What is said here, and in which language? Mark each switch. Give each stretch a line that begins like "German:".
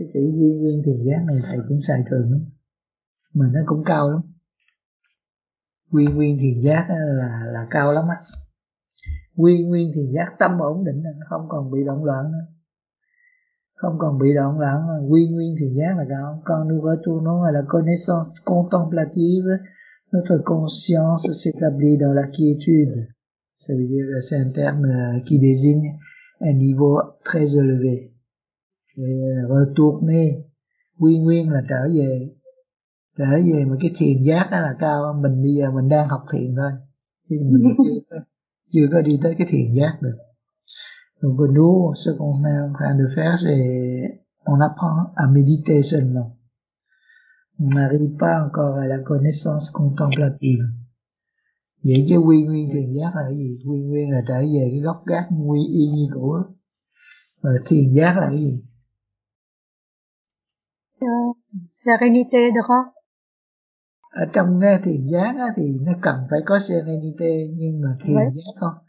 Vietnamese: Cái chữ quy nguyên thiền giác này thầy cũng xài thường lắm. Mà nó cũng cao lắm. Quy nguyên thiền giác là cao lắm á. Quy nguyên thiền giác, tâm ổn định là không còn bị động loạn nữa. Không còn bị động loạn, quy nguyên thiền giác là sao?
French: Quand nous retournons à la connaissance contemplative, notre conscience s'établit dans la quiétude. Ça veut dire que c'est un terme qui désigne un niveau très élevé. Et retourner,
Vietnamese: quy nguyên là trở về. Trở về mà cái thiền giác đó là cao, mình bây giờ mình đang học thiền thôi. Chứ mình chưa có đi tới cái thiền giác được.
French: Donc nous, ce qu'on est en train de faire, c'est on apprend à méditer seulement. On n'arrive pas encore à la connaissance contemplative.
Vietnamese: Vậy chứ quy nguyên thiền giác là cái gì? Quy nguyên là trở về cái gốc gác nguyên y như cũ. Và thiền giác là cái gì?
French: Serenité de quoi?
Vietnamese: Ở trong thiền giác thì nó cần phải có serenité, nhưng mà thiền giác không?